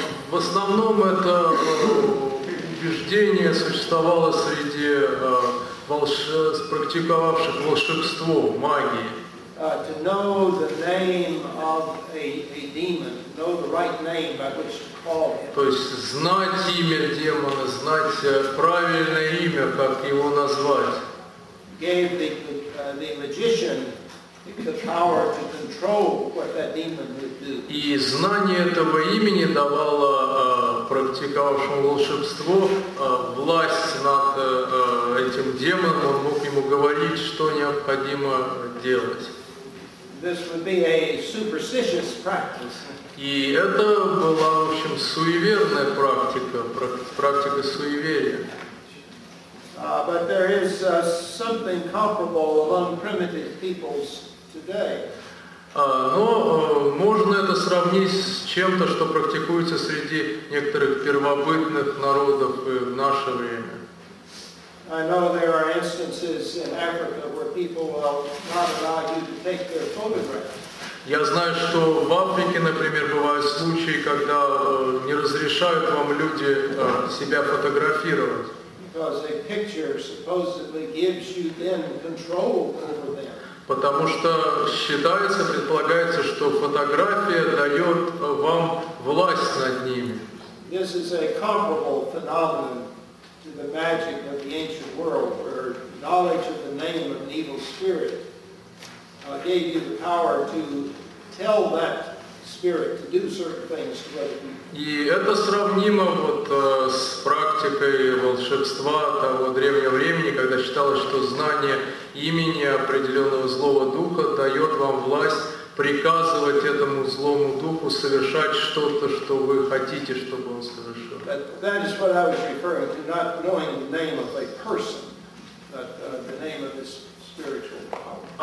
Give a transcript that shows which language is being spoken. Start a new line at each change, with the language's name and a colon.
Russian: В основном это убеждение существовало среди практиковавших волшебство, магии.
English: To know the name of a demon, know the right name by which to call him.
Russian: То есть знать имя демона, знать правильное имя, как его назвать.
English: Gave the magician the power to control what that demon would do.
Russian: И знание этого имени давало практиковавшему волшебство власть над этим демоном, он мог ему говорить, что необходимо делать.
English: This would be a superstitious practice.
Russian: И это была, в общем, суеверная практика, практика суеверия.
English: But there is something comparable among primitive peoples.
Russian: Но можно это сравнить с чем-то, что практикуется среди некоторых первобытных народов в наше время.
English: I know there are instances in Africa where people will not allow you to take their photograph.
Russian: Я знаю, что в Африке, например, бывают случаи, когда не разрешают вам люди себя фотографировать.
English: Because a picture supposedly gives you then control over them.
Russian: Потому что считается, предполагается, что фотография дает вам власть над ними.
English: This is a comparable phenomenon to the magic of the ancient world, where knowledge of the name of an evil spirit gave you the power to tell that spirit to do certain things to other people.
Russian: И это сравнимо вот с практикой волшебства того древнего времени, когда считалось, что знание имени определенного злого духа дает вам власть приказывать этому злому духу совершать что-то, что вы хотите, чтобы он совершил.
English: That is what I was referring to, not knowing the name of a person, but the name of this spiritual power.